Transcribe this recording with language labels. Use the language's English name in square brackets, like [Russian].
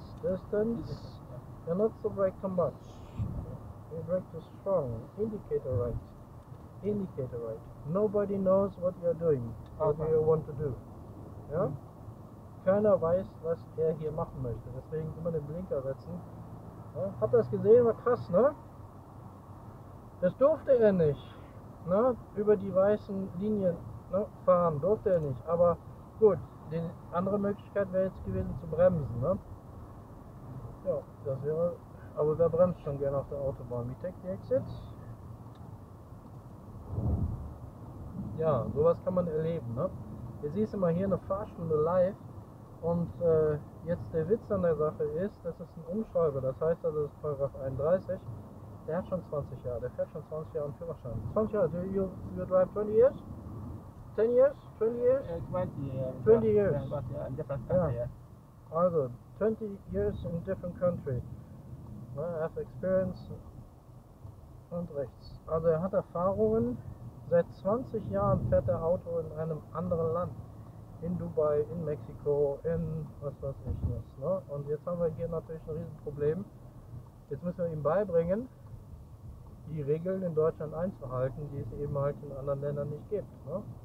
[English] You're not the brake too much. You brake too strong. Indicator right. Nobody knows what you're doing. What do you want to do? [German] Ja? Keiner weiß, was er hier machen möchte. Deswegen immer den Blinker setzen. Ja? Habt ihr das gesehen? War krass, ne? Das durfte er nicht. Ne? Über die weißen Linien, ne? Fahren durfte er nicht. Aber gut, die andere Möglichkeit wäre jetzt gewesen zu bremsen. Ne? Ja, das wäre. Aber wer bremst schon gerne auf der Autobahn? Wie tech die Exit? Ja, sowas kann man erleben. Ne? Jetzt siehst du mal hier eine Fahrstunde live. Und jetzt der Witz an der Sache ist, das ist ein Umschreiber. Das heißt also, das ist Paragraph 31. Der hat schon 20 Jahre, der fährt schon 20 Jahre einen Führerschein. 20 Jahre, [English] do you drive 20 years? 10 years? 20 years? 20 years. 20 years. Yeah. Also, 20 years in different country. I have experience. [German] Und rechts. Also, er hat Erfahrungen. Seit 20 Jahren fährt er Auto in einem anderen Land. In Dubai, in Mexiko, in was weiß ich was. Ne? Und jetzt haben wir hier natürlich ein Riesenproblem. Jetzt müssen wir ihm beibringen, die Regeln in Deutschland einzuhalten, die es eben halt in anderen Ländern nicht gibt. Ne?